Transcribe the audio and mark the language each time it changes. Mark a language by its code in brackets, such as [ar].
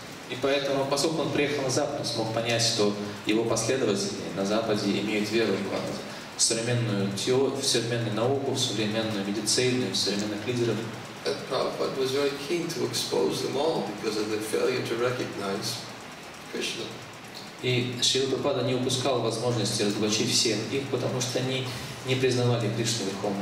[ru] И поэтому, поскольку он приехал на Запад, он смог понять, что его последователи на Западе имеют веру в современную теорию, в современную науку, в современную медицину, в современных лидеров. [en] And Prabhupada was very keen to expose them all because of the failure to recognize Krishna. [ru] И Шрила Прабхупада не упускал возможности разоблачить всех их, потому что они не признавали Кришну Верховным